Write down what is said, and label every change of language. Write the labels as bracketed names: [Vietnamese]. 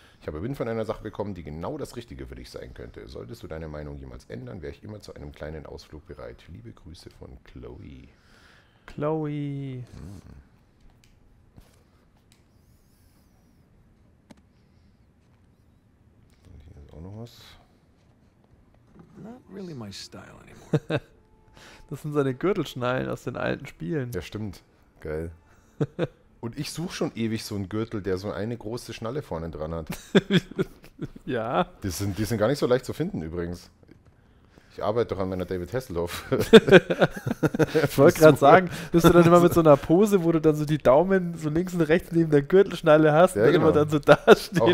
[German] Ich habe Wind von einer Sache bekommen, die genau das Richtige für dich sein könnte. Solltest du deine Meinung jemals ändern, wäre ich immer zu einem kleinen Ausflug bereit. Liebe Grüße von Chloe. Chloe. Und hier ist auch noch was. [English] Not really my style anymore. [German] Das sind seine Gürtelschnallen aus den alten Spielen. Ja, stimmt. Geil. Und ich suche schon ewig so einen Gürtel, der so eine große Schnalle vorne dran hat. Ja. Die sind gar nicht so leicht zu finden übrigens. Ich arbeite doch an meiner David Hasselhoff. Ich wollte gerade sagen, bist du dann immer mit so einer Pose, wo du dann so die Daumen so links und rechts neben der Gürtelschnalle hast, ja, und immer dann so dastehen.